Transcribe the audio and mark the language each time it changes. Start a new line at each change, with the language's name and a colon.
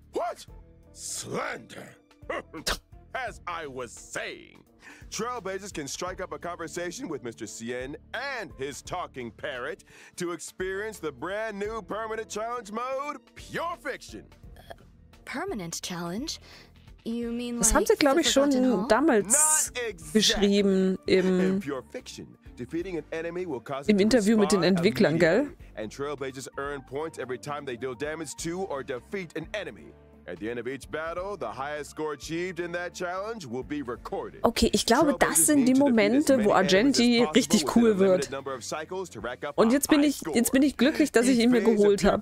English: What? Slander! As I was saying, Trailblazers can strike up a conversation with Mr. Cien and his talking parrot to experience the brand new permanent challenge mode, Pure Fiction. Permanent challenge? You mean
German: das
English: like
German: haben sie, glaube ich, schon damals beschrieben im
English: Pure Fiction. Defeating an enemy will cause
German: im Interview mit den Entwicklern, gell?
English: And Trailblazers earn points every time they deal damage to or defeat an enemy. At the end of each battle, the highest score achieved in that challenge will be recorded.
German: Okay, ich glaube, das sind die Momente, wo Argenti richtig cool wird. Und jetzt bin ich glücklich, dass ich ihn mir geholt habe.